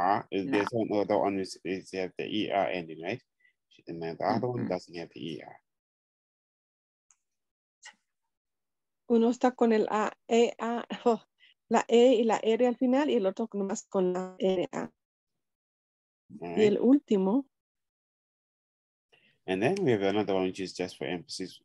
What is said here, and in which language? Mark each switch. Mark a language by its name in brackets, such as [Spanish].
[English] There's another one is have the ER ending, right? And then the other one doesn't have the ER. [Spanish] Uno está con el A, E, A, la E y la R al final, y el otro nomás con la R, A. Right. Y el último. [English] And then we have another one, which is just for emphasis.